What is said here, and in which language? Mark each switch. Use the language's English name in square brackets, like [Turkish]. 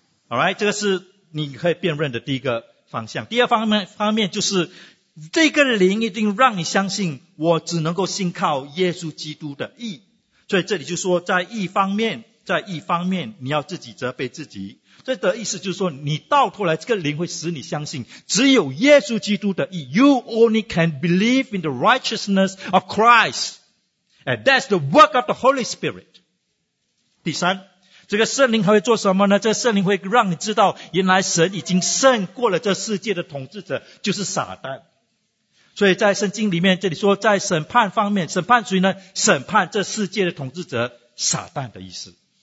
[Chinese] Alright， 这个是你可以辨认的第一个方向。第二方面就是，这个灵一定让你相信我只能够信靠耶稣基督的义。所以这里就说，在义方面，你要自己责备自己。这的意思就是说，你到头来这个灵会使你相信只有耶稣基督的义。 [English] You only can believe in the righteousness of Christ. And that's the work of the Holy Spirit. [Chinese] 第三，这个圣灵还会做什么呢？这个圣灵会让你知道，原来神已经胜过了这世界的统治者，就是撒旦。所以在圣经里面，这里说，在审判方面，审判谁呢？审判这世界的统治者，撒旦的意思。